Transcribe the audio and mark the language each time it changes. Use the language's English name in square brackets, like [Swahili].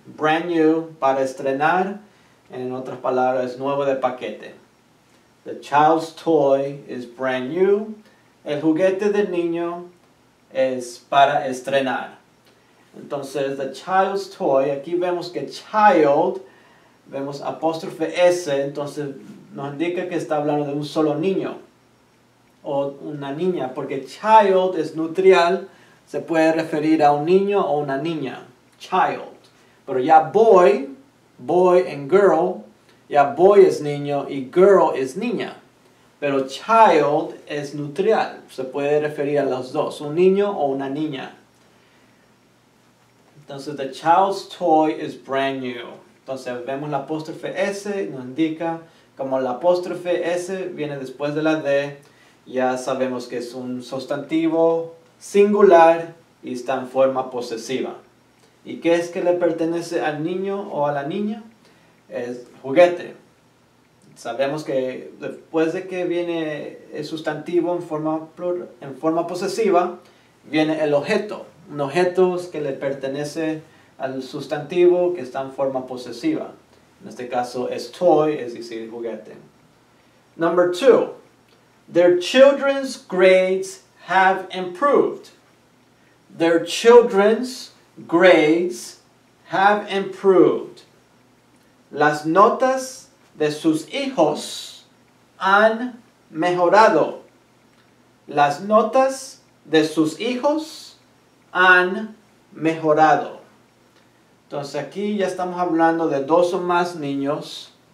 [English] Brand new, [Spanish] para estrenar, en otras palabras, nuevo de paquete. [English] The child's toy is brand new. [Spanish] El juguete del niño es para estrenar. Entonces, [English] the child's toy, [Spanish] aquí vemos que child, vemos apóstrofe S, entonces nos indica que está hablando de un solo niño o una niña, porque child es neutral, se puede referir a un niño o una niña, child. Pero ya boy, [English] boy and girl, [Spanish] ya boy es niño y girl es niña. Pero child es neutral, se puede referir a los dos, un niño o una niña. [English] Entonces, the child's toy is brand new. [Spanish] Entonces, vemos la apóstrofe S, nos indica. Como la apóstrofe S viene después de la D, ya sabemos que es un sustantivo singular y está en forma posesiva. ¿Y qué es que le pertenece al niño o a la niña? Es juguete. Sabemos que después de que viene el sustantivo en forma posesiva, viene el objeto. Un objeto es que le pertenece al sustantivo que está en forma posesiva. En este caso, es toy, es decir, juguete. [English] Number two, their children's grades have improved. Their children's grades have improved. [Spanish] Las notas de sus hijos han mejorado. Las notas de sus hijos han mejorado. Entonces, aquí ya estamos hablando de dos o más niños.